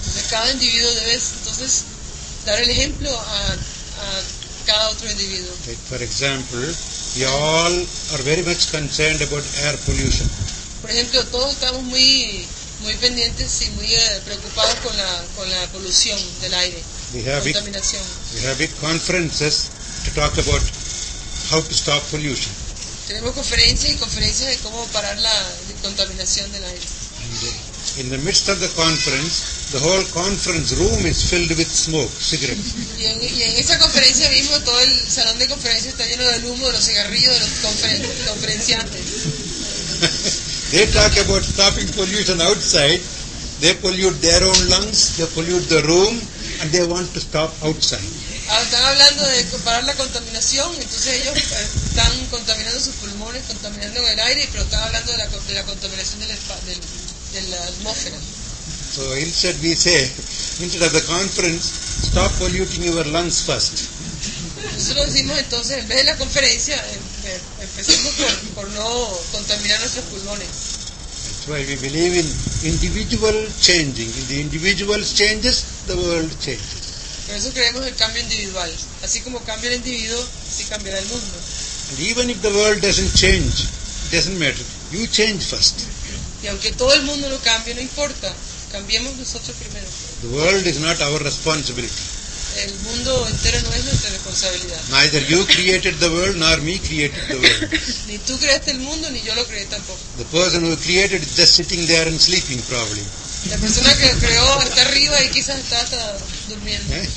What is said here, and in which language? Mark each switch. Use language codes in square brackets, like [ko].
[es] Cada individuo debe entonces dar el ejemplo a cada otro individuo. [en] Like for example, we all are very much concerned about air pollution. [es] Por ejemplo, todos estamos muy muy pendientes y muy preocupados con la polución del aire, contaminación. [en] We have big conferences to talk about how to stop pollution. [es] Tenemos conferencias de cómo parar la contaminación del aire. [en] In the midst of the conference, the whole conference room is filled with smoke, cigarettes. [es] Y en esa conferencia mismo todo el salón de conferencia está lleno del humo de los cigarrillos de los conferenciantes. [en] They talk about stopping pollution outside. They pollute their own lungs, they pollute the room, and they want to stop outside. [es] Están hablando de parar la contaminación, entonces ellos están contaminando sus pulmones, contaminando el aire, pero están hablando de la contaminación de la atmósfera. [en] So instead we say, instead of the conference, stop polluting your lungs first. [es] Nosotros decimos entonces, en vez de la conferencia, empecemos por no contaminar nuestros pulmones. [en] That's why we believe in individual changing. If the individual changes, the world changes. [es] Por eso creemos en el cambio individual. Así como cambia el individuo, así cambiará el mundo. [en] And even if the world doesn't change, it doesn't matter. You change first. [es] Y aunque todo el mundo lo cambie, no importa. Cambiemos nosotros primero. [en] The world is not our responsibility. [es] El mundo entero no es nuestra responsabilidad. [en] Neither you created the world, nor me created the world. [es] Ni tú creaste el mundo, ni yo lo creé tampoco. [en] The person who created is just sitting there and sleeping, probably. [es] La persona que lo creó está arriba y quizás está durmiendo.